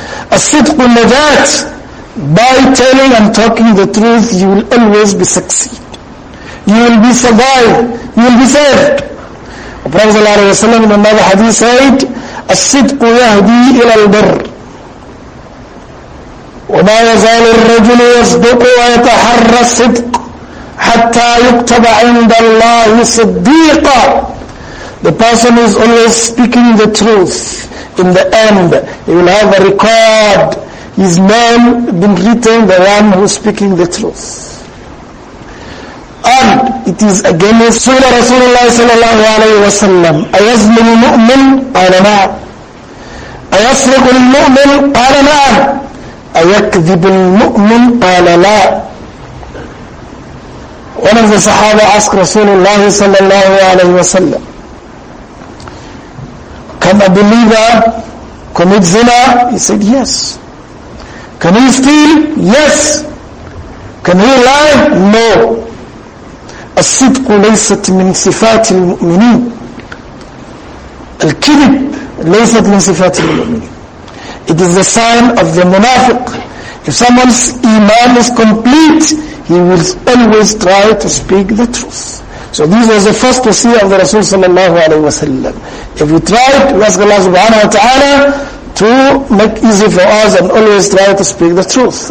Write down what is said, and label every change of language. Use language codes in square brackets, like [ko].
[ar] الصدق النجات. [en] By telling and talking the truth, you will always be succeed. You will be survived. You will be saved. The Prophet sallallahu alaihi wasallam in another hadith said, [ar] الصدق يهدي إلى البر. وما يزال الرجل يصدق ويتحرى الصدق حتى يكتب عند الله صديقا. [en] The person is always speaking the truth. In the end, he will have a record. His name been written, the one who is speaking the truth. And it is again Surah Rasulullah sallallahu alayhi wa sallam. [ar] أَيَزْلِمُ الْمُؤْمِنْ قَالَ نَعْمُ أَيَسْرِقُ الْمُؤْمِنْ قَالَ نَعْمُ أَيَكْذِبُ الْمُؤْمِنْ قَالَ لَا. [en] One of the Sahaba asked Rasulullah sallallahu alayhi wa sallam, can a believer commit zina? He said, yes. Can he steal? Yes. Can he lie? No. [ar] الصدق ليست من صفات المؤمنين. الكذب ليست من صفات المؤمنين. [en] It is the sign of the munafiq. If someone's iman is complete, he will always try to speak the truth. So this was the first wasiyah of the Rasul sallallahu alayhi wa sallam. If we try to ask Allah subhanahu wa ta'ala to make easy for us and always try to speak the truth.